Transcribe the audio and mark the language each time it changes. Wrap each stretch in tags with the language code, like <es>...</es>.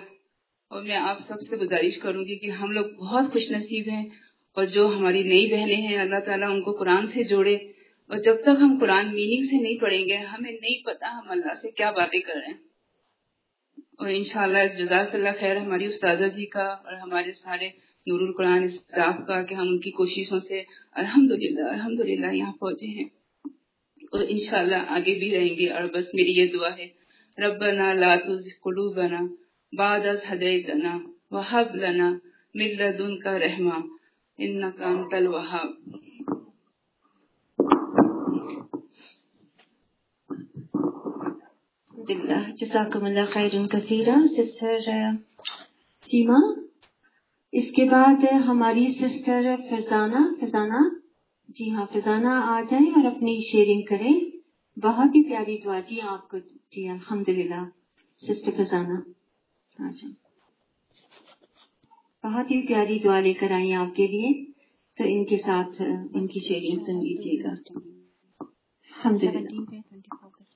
<ur>اور میں آپ سب سے گزارش کروں گی کہ ہم لوگ بہت خوش نصیب ہیں, اور جو ہماری نئی بہنیں ہیں اللہ تعالیٰ ان کو قرآن سے جوڑے, اور جب تک ہم قرآن میننگ سے نہیں پڑھیں گے ہمیں نہیں پتا ہم اللہ سے کیا باتیں کر رہے ہیں. اور انشاءاللہ جزاک اللہ خیر ہماری استاذہ جی کا اور ہمارے سارے نور القرآن اسٹاف کا کہ ہم ان کی کوششوں سے الحمدللہ یہاں پہنچے ہیں, اور انشاءاللہ آگے بھی رہیں گے. اور بس میری یہ دعا ہے,</ur> <ar>ربنا لا تزغ قلوبنا بعد إذ هديتنا وهب لنا من لدنك رحمة إنك أنت الوهاب. جزاكم الله خيرا كثيرا</ar> <ur>سسٹر سیما. اس کے بعد ہماری سسٹر فرزانہ, فرزانہ جی ہاں فرزانہ آ جائیں اور اپنی شیئرنگ کریں. بہت ہی پیاری دعا جی آپ کو جی الحمدللہ سسٹر فرزانہ, بہت ہی پیاری دعا لے کر آئیں آپ کے لیے, تو ان کے ساتھ ان کی شیئرنگ سن لیجیے گا.</ur>